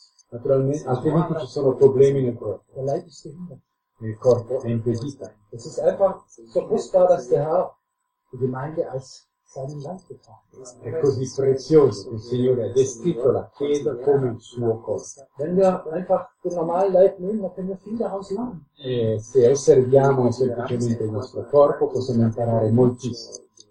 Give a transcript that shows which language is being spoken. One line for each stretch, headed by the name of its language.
Italian: Naturalmente, altrimenti ci sono problemi nel corpo. Il corpo è impedita.
German: Es ist einfach so kostbar, dass der Herr die Gemeinde als seinen Land getan hat.
Italian: È così prezioso che il Signore ha descritto la Chiesa come il suo corpo.
German: Wenn wir einfach den normalen Leib nehmen, dann können wir viel daraus lernen.
Italian: E se osserviamo semplicemente il nostro corpo, possiamo imparare moltissimo.